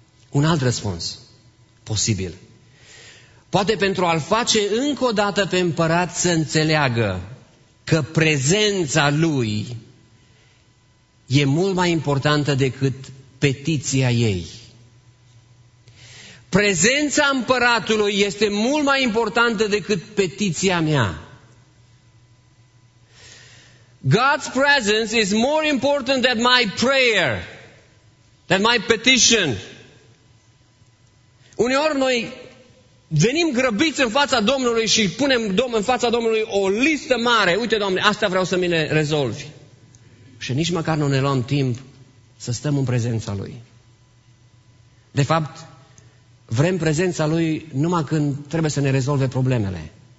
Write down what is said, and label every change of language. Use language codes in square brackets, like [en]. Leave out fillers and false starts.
[ro] Un alt răspuns posibil. Poate pentru a-l face încă o dată pe împărat să înțeleagă că prezența lui e mult mai importantă decât petiția ei. Prezența împăratului este mult mai importantă decât petiția mea. [en] God's presence is more important than my prayer, than my petition. [ro] Uneori noi venim grăbiți în fața Domnului și punem în fața Domnului o listă mare. Uite, Doamne, asta vreau să mi le rezolvi. Și nici măcar nu ne luăm timp să stăm în prezența Lui. De fapt, vrem prezența Lui numai când trebuie să ne rezolve problemele.